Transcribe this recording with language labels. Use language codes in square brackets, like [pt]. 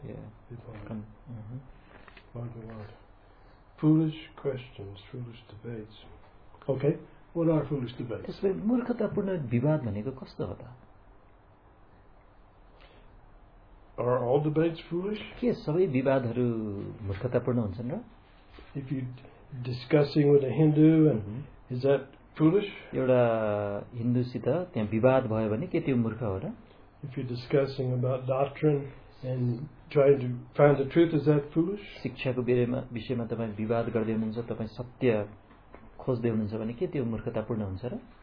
[ne] Yeah. Vivad. Vivad. [en] Foolish questions, foolish debates. Okay. What are foolish debates? Yes, but [ne] murkha tapurna vivad bhaneko kasto ho ta? [en] Are all debates foolish? [ne] के सबै विवादहरू मूर्खतापूर्ण हुन्छन् र? [en] If you discussing with a Hindu and is that foolish? [ne] एउटा हिन्दूसित त्यहाँ विवाद भयो भने के त्यो मूर्ख हो र? [en] If you're discussing about doctrine and trying to find the truth, is that foolish? [ne] शिक्षाको विषयमा तपाई विवाद गर्दै हुनुहुन्छ, तपाई सत्य खोज्दै हुनुहुन्छ भने के त्यो मूर्खतापूर्ण हुन्छ र?